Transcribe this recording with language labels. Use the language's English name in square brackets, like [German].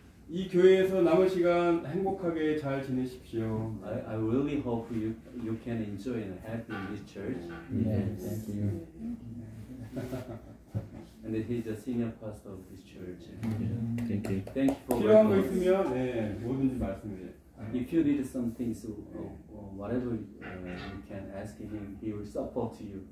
[Korean] 이 교회에서 남은 시간 행복하게 잘 지내십시오. [English] I really hope you can enjoy and happy in this church. Yes, thank you. And he's a senior pastor of this church. Thank you. Thank you for [Korean] 필요한 거 있으면 네, 뭐든지 말씀해. [English] If you need something, so whatever you can ask him, he will support you.